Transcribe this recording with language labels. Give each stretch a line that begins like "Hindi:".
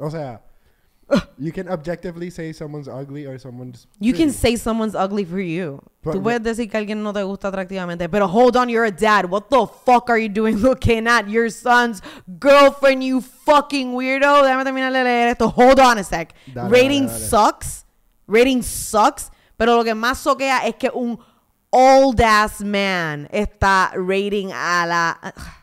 Spanish: O sea,
English: you can objectively say someone's ugly or someone's pretty. You can say someone's ugly for you.
Spanish: But tú puedes decir que alguien no te gusta atractivamente, pero
English: hold on, you're a dad. What the fuck are you doing looking at your son's girlfriend, you fucking weirdo?
Spanish: Déjame terminar de leer esto.
English: Hold on a sec. Dale, rating dale, dale. Sucks. Rating sucks.
Spanish: Pero lo que más soquea es que un
English: old ass man
Spanish: está rating a la...